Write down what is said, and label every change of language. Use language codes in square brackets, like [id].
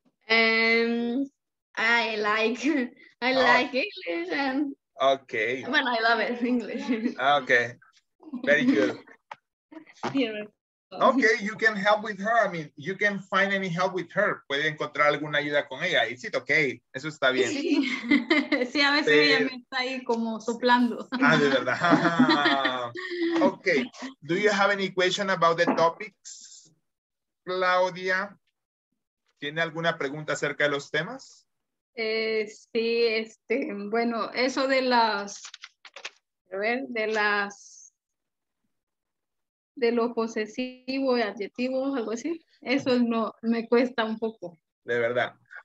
[en] I like English. And, okay. But I love it, English. Okay. Very good. Okay, you can help with her. I mean, you can find any help with her. [es] Puede encontrar alguna ayuda con ella. [en] Is it okay? [es] Eso está bien. Sí, sí, a veces ella me está ahí como soplando. Ah, de verdad. Okay. [en] Do you have any question about the topics, Claudia? [es] ¿Tiene alguna pregunta acerca de los temas? Sí, bueno, eso de las, a ver, de las, de lo posesivo y adjetivos, algo así. Eso no, me cuesta un poco. De verdad.